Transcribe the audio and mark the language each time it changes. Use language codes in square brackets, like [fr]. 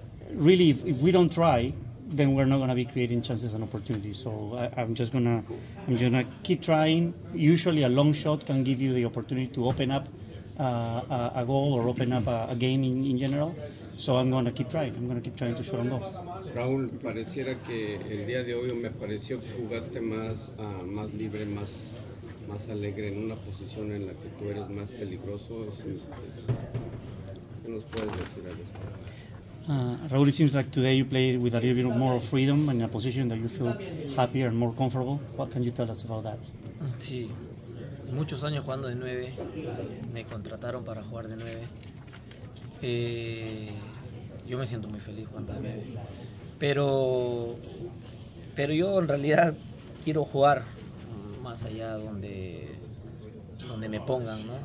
[en] Really, if we don't try, then we're not going to be creating chances and opportunities. So I'm just gonna keep trying. Usually, a long shot can give you the opportunity to open up a goal or open up a game in general. So I'm gonna keep trying to shoot on goal. [es] Raúl, pareciera que el día de hoy me pareció que jugaste más más libre, más alegre en una posición en la que tú eres más peligroso. ¿Qué nos puedes decir al respecto? [en] Raúl, it seems like today you played with a little bit more of freedom and in a position that you feel happier and more comfortable. What can you tell us about that? [es] Sí, muchos años jugando de 9, me contrataron para jugar de 9. Yo me siento muy feliz jugando de 9. Pero yo en realidad quiero jugar más allá donde me pongan, ¿no?